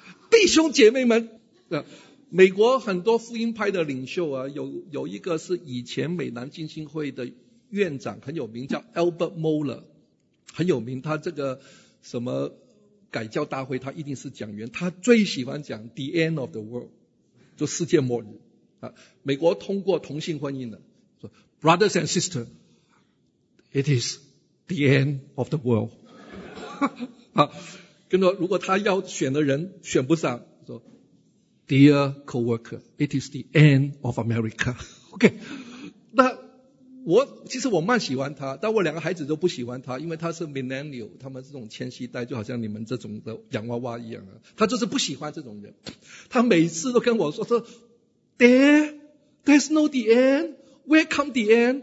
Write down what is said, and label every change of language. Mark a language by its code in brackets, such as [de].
[zh] 弟兄姐妹们，美国很多福音派的领袖啊，有一个是以前美南浸信会的院长，很有名，叫 Albert Moeller， 很有名。他这个什么改教大会他一定是讲员，他最喜欢讲 [en] The end of the world， [zh] 就世界末日啊。美国通过同性婚姻了，说 [en] Brothers and sisters， It is the end of the world。 [zh] 啊，跟着如果他要选的人选不上，说 [en] Dear co-worker， It is the end of America。 [zh] OK， 那其实我蛮喜欢他，但我两个孩子都不喜欢他，因为他是 millennial， 他们这种千禧代，就好像你们这种的洋娃娃一样啊。他就是不喜欢这种人，他每次都跟我说 [en] There's no the end， Where come the end？